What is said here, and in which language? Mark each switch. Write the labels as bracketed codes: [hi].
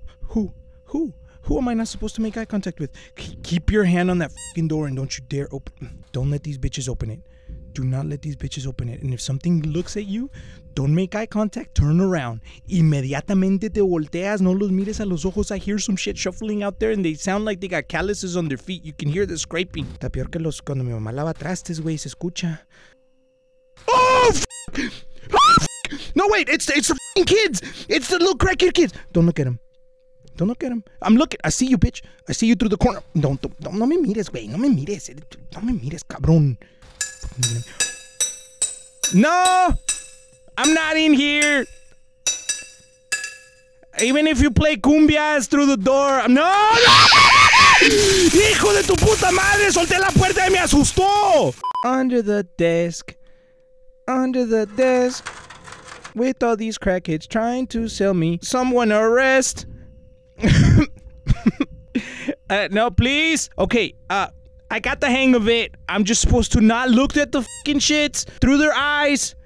[en] Who am I not supposed to make eye contact with? Keep your hand on that f***ing door and don't you dare open. Don't let these bitches open it. Do not let these bitches open it. And if something looks at you, don't make eye contact. Turn around. [es] Inmediatamente te volteas. No los mires a los ojos. [en] I hear some shit shuffling out there and they sound like they got calluses on their feet. You can hear the scraping. [es] Está peor que los cuando mi mamá lava trastes, güey. Se escucha. [en] Oh, fuck! Oh, fuck! No, wait. It's the fucking kids. It's the little crackhead kids. Don't look at them. Don't look at him. I'm looking. I see you, bitch. I see you through the corner. Don't. [es] No me mires, güey. No me mires. No me mires, cabrón. [en] No! I'm not in here. Even if you play cumbias through the door. No! No! [es] Hijo de tu puta madre, solté la puerta y me asustó. [en] Under the desk. Under the desk. With all these crackheads trying to sell me. Someone arrest. no, please. Okay, I got the hang of it. I'm just supposed to not look at the fucking shits through their eyes.